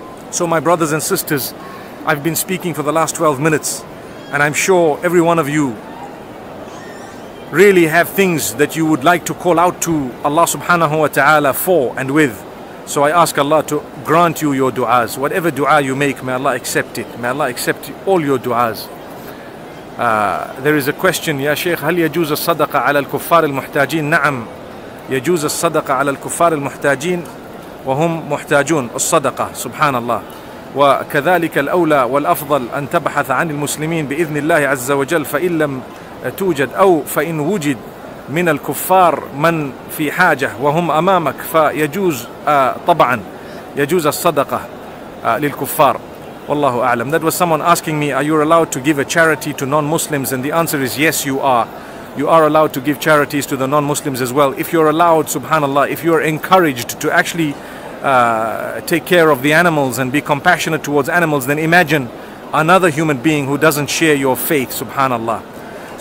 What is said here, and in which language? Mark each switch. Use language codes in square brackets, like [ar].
[en] So my brothers and sisters, I've been speaking for the last 12 minutes, and I'm sure every one of you really have things that you would like to call out to Allah subhanahu wa ta'ala for and with. So I ask Allah to grant you your du'as. Whatever du'a you make, may Allah accept it. May Allah accept all your du'as. There is a question, Ya Shaykh, [ar] هل يجوز الصدقة على الكفار المحتاجين؟ نعم يجوز الصدقة على الكفار المحتاجين وهم محتاجون الصدقة سبحان الله وكذلك الأولى والأفضل أن تبحث عن المسلمين بإذن الله عز وجل فإن لم توجد أو فإن وجد من الكفار من في حاجة وهم أمامك فيجوز طبعا يجوز الصدقة للكفار Wallahu a'lam. [en] That was someone asking me, are you allowed to give a charity to non-Muslims? And the answer is yes, you are. You are allowed to give charities to the non-Muslims as well. If you're allowed, subhanallah, if you're encouraged to actually take care of the animals and be compassionate towards animals, then imagine another human being who doesn't share your faith, subhanallah.